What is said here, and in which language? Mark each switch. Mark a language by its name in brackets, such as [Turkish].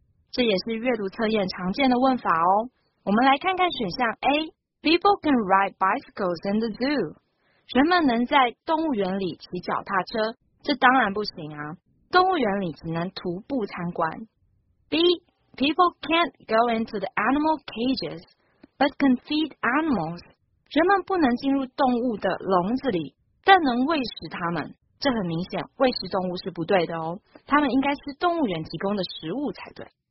[Chinese] 这也是阅读测验常见的问法哦。 [English] 我们来看看选项 A. People can ride bicycles in the zoo. [Chinese] 人们能在动物园里骑脚踏车，这当然不行啊。动物园里只能徒步参观。 B. [English] People can't go into the animal cages, but can feed animals. [Chinese] 人们不能进入动物的笼子里，但能喂食它们。这很明显，喂食动物是不对的哦，他们应该是动物园提供的食物才对。